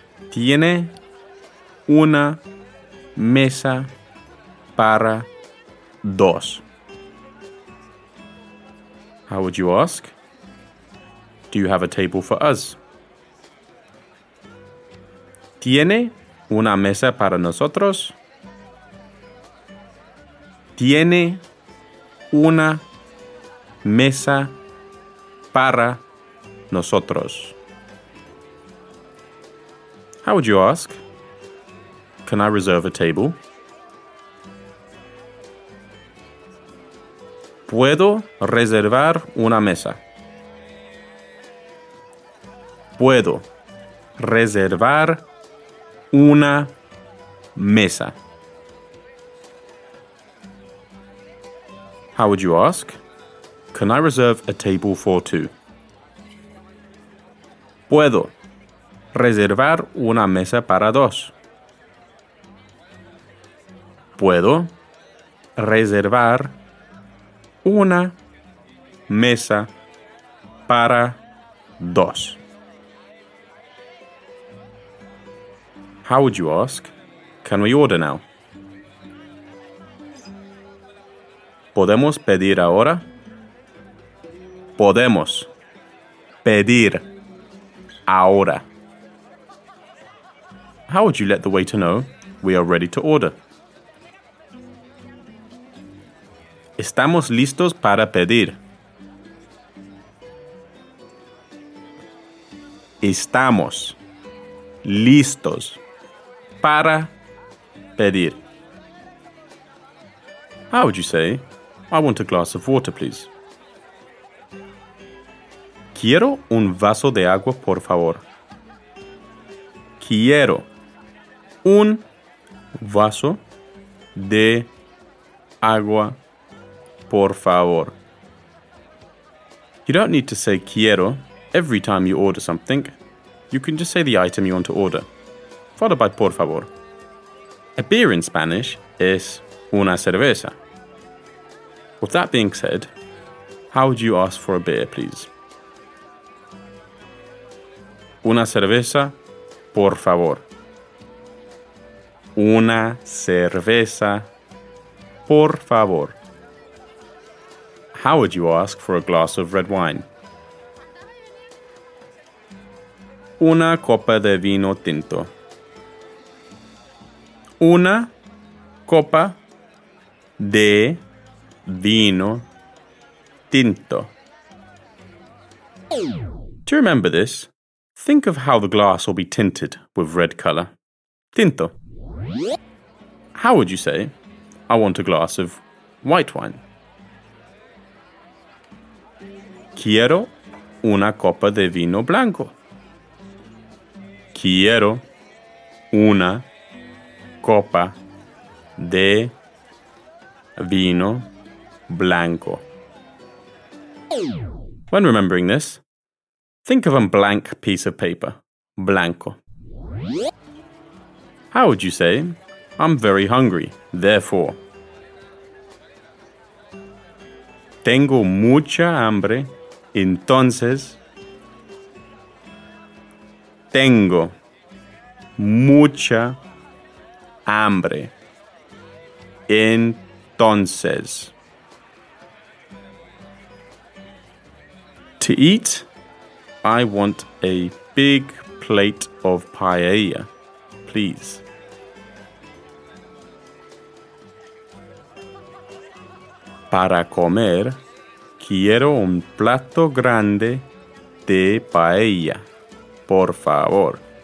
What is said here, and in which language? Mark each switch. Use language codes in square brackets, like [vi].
[es] Tiene una mesa para dos. [en] How would you ask? Do you have a table for us? [es] Tiene una mesa para nosotros. Tiene una mesa para nosotros. [en] How would you ask? Can I reserve a table? [es] Puedo reservar una mesa. Puedo reservar una mesa. [en] How would you ask? Can I reserve a table for two? [es] Puedo reservar una mesa para dos. Puedo reservar una mesa para dos. [en] How would you ask? Can we order now? [es] Podemos pedir ahora. Podemos pedir ahora. [en] How would you let the waiter know we are ready to order? [es] Estamos listos para pedir. Estamos listos para pedir. [en] How would you say, I want a glass of water, please? [es] Quiero un vaso de agua, por favor. Quiero un vaso de agua, por favor. [en] You don't need to say quiero every time you order something. You can just say the item you want to order, followed by [es] por favor. [en] A beer in Spanish is [es] una cerveza. [en] With that being said, how would you ask for a beer, please? [es] Una cerveza, por favor. Una cerveza, por favor. [en] How would you ask for a glass of red wine? [es] Una copa de vino tinto. Una copa de vino tinto. [en] To remember this, think of how the glass will be tinted with red color. Tinto. How would you say, I want a glass of white wine? [es] Quiero una copa de vino blanco. Quiero una copa de vino blanco. [en] When remembering this, think of a blank piece of paper, blanco. How would you say, I'm very hungry, therefore? [es] Tengo mucha hambre, entonces. Tengo mucha hambre, entonces. [en] To eat, I want a big plate of paella, please. [es] Para comer, quiero un plato grande de paella, por favor.